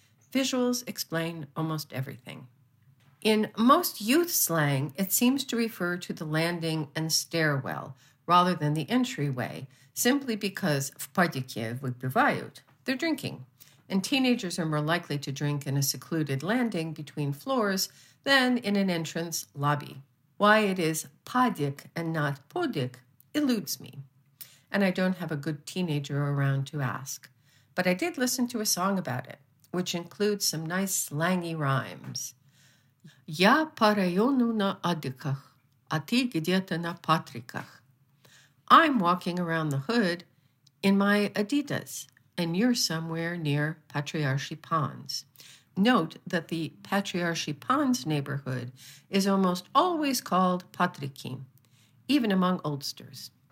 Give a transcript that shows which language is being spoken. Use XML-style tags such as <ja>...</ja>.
<en>Visuals explain almost everything. In most youth slang, it seems to refer to the landing and stairwell rather than the entryway, simply because</en> <ru>v podyekie vypivayut,</ru> <en>they're drinking, and teenagers are more likely to drink in a secluded landing between floors than in an entrance lobby. Why it is podyek and not podyek eludes me, and I don't have a good teenager around to ask. But I did listen to a song about it, which includes some nice slangy rhymes.</en> <ru>Я по району на адыках, а ты где-то на патриках.</ru> <en>I'm walking around the hood in my Adidas, and you're somewhere near Patriarchy Ponds. Note that the Patriarchy Ponds neighborhood is almost always called Patrikim, even among oldsters.</en>